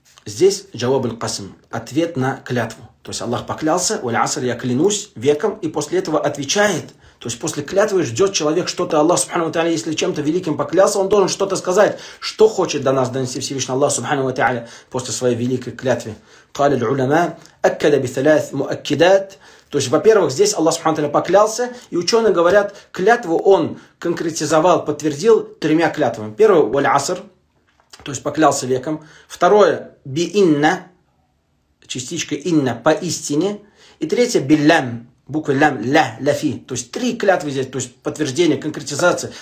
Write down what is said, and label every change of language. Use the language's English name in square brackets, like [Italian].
[Russian] Здесь джаваб аль-касм, ответ на клятву. То есть Аллах поклялся, валь аср, я клянусь веком, и после этого отвечает. То есть после клятвы ждет человек что-то. Аллах субхану ва та'аля, если чем-то великим поклялся, он должен что-то сказать, что хочет до нас донести Всевышний Аллах субхану ва та'аля после своей великой клятвы. [Arabic] قال العلماء اكد بثلاث مؤكدات. [Russian] То есть, во-первых, здесь Аллах субхану ва та'аля поклялся, и ученые говорят, клятву он конкретизовал, подтвердил тремя клятвами. Первое, валь аср, то есть поклялся веком. Второе, би инна, частичка инна, поистине. И третье, би лям, буква лям, ля, ля фи. То есть три клятвы здесь, то есть подтверждение, конкретизация.